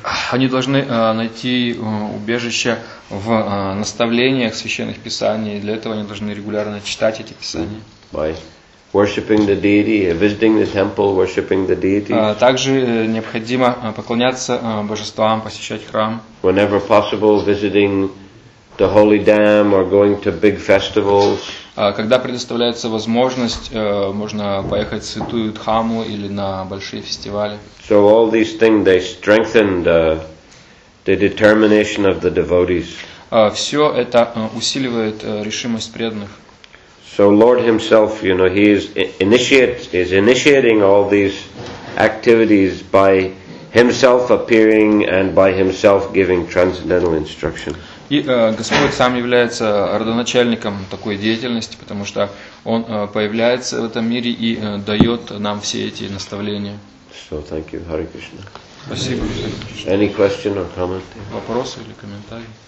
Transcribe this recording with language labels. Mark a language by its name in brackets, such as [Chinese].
[Russian] Они должны найти убежище в наставлениях священных писаний. Для этого они должны регулярно читать эти писания. [English] By worshipping the deity, visiting the temple, worshipping the deity. [Russian] Также необходимо поклоняться божествам, посещать храм. [English] Whenever possible, visiting the holy dam or going to big festivals. [Russian] Когда предоставляется возможность, можно поехать в Святую Дхаму или на большие фестивали. [English] So all these things, they strengthen the determination of the devotees. [Russian] Все это усиливает решимость преданных. [English] So Lord himself, you know, he is initiating all these activities by himself appearing and by himself giving transcendental instruction. [Russian] И Господь сам является родоначальником такой деятельности, потому что Он появляется в этом мире и дает нам все эти наставления. [English] So, thank you, Hare Krishna. [Russian] Спасибо. [English] Any question or comment? [Russian] Вопросы или комментарии?